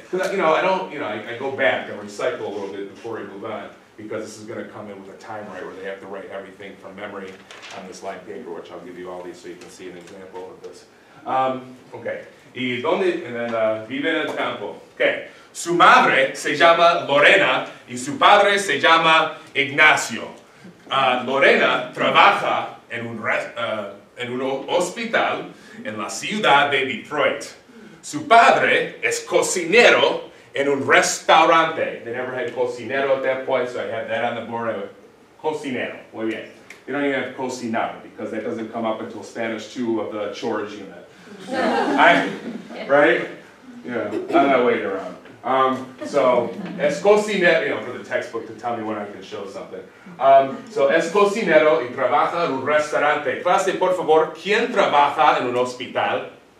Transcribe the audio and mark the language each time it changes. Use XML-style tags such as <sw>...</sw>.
<en>Because, you know, I don't, you know, I go back and recycle a little bit before we move on, because this is going to come in with a timer where they have to write everything from memory on this line paper, which I'll give you all these so you can see an example of this.</en> <es>Okay. ¿Y dónde? And then, vive en el campo. Okay. Su madre se llama Lorena y su padre se llama Ignacio. Lorena trabaja en un hospital en la ciudad de Detroit. Su padre es cocinero en un restaurante.</es> <en>They never had cocinero at that point, so I had that on the board. Cocinero. Muy bien. They don't even have cocinar because that doesn't come up until Spanish 2 of the chores unit. Right? Yeah. I'm not waiting around. So, es cocinero, you know, for the textbook to tell me when I can show something.</en> <es>So, es cocinero y trabaja en un restaurante. Clase, por favor, ¿quién trabaja en un hospital?</es>